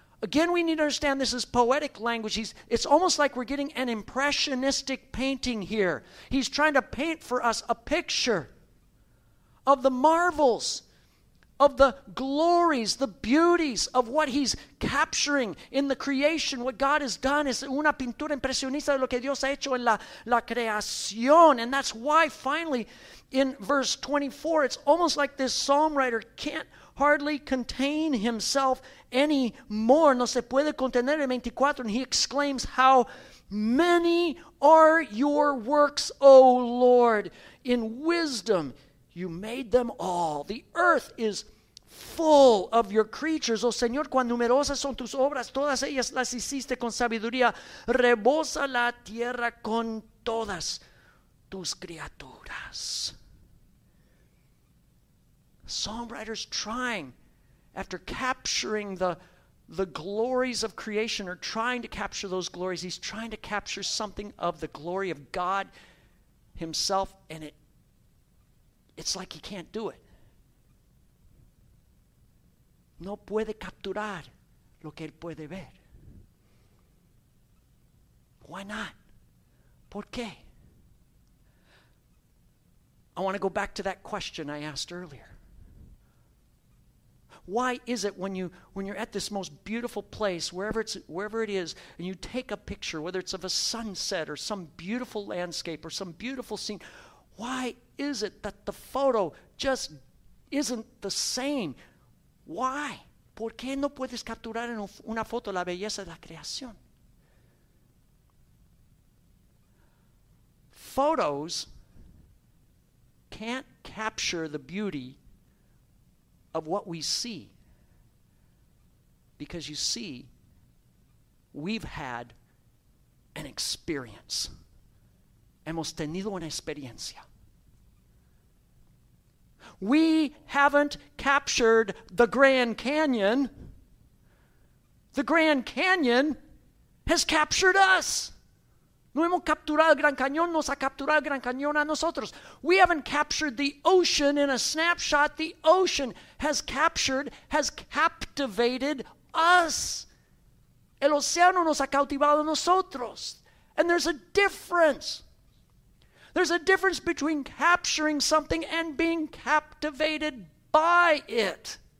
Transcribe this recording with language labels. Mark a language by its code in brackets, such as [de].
[en] Again, we need to understand this is poetic language. It's almost like we're getting an impressionistic painting here. He's trying to paint for us a picture of the marvels, of the glories, the beauties of what he's capturing in the creation, what God has done. [es] Es una pintura impresionista de lo que Dios ha hecho en la creación. [en] And that's why, finally, in verse 24, it's almost like this psalm writer can't hardly contain himself anymore. [es] No se puede contener en 24. [en] And he exclaims, how many are your works, O Lord, in wisdom. You made them all. The earth is full of your creatures. [es] Oh, Señor, cuán numerosas son tus obras. Todas ellas las hiciste con sabiduría. Rebosa la tierra con todas tus criaturas. [en] Songwriters trying, after capturing the glories of creation, or trying to capture those glories, he's trying to capture something of the glory of God himself, and it's like he can't do it. [es] No puede capturar lo que él puede ver. [en] Why not? [es] ¿Por qué? [en] I want to go back to that question I asked earlier. Why is it when you're at this most beautiful place, wherever it is, and you take a picture, whether it's of a sunset or some beautiful landscape or some beautiful scene, why is it that the photo just isn't the same? Why? [es] ¿Por qué no puedes capturar en una foto la belleza de la creación? [en] Photos can't capture the beauty of what we see. Because you see, we've had an experience. [es] hemos tenido una experiencia. [en] We haven't captured the Grand Canyon. The Grand Canyon has captured us. [es] No hemos capturado el Gran Cañón, nos ha capturado el Gran Cañón a nosotros. [en] We haven't captured the ocean in a snapshot. The ocean has captured, has captivated us. [es] El océano nos ha cautivado a nosotros. [en] And there's a difference. There's a difference between capturing something and being captivated by it.